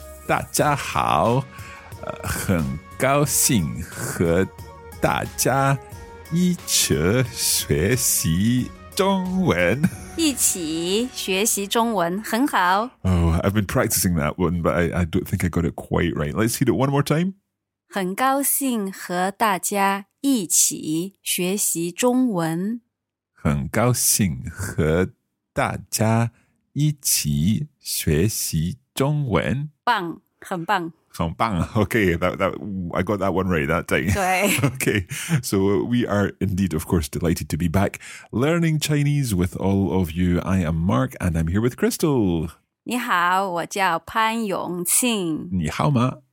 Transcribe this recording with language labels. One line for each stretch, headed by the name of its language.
Chinese: 大家好，很高兴和大家一起学习中文。一起学习中文，很好。
English: Oh, I've been practicing that one, but I don't think I got it quite right. Let's hit it one more time.
Chinese: 很高兴和大家一起学习中文。很高兴和大家一起学习中文，棒，很棒，很棒。
English: Okay, that I got that one right that time.
Chinese: 对。
English: Okay, so we are indeed, of course, delighted to be back learning Chinese with all of you. I am Mark, and I'm here with Crystal.
Chinese: 你好，我叫潘永庆。你好吗？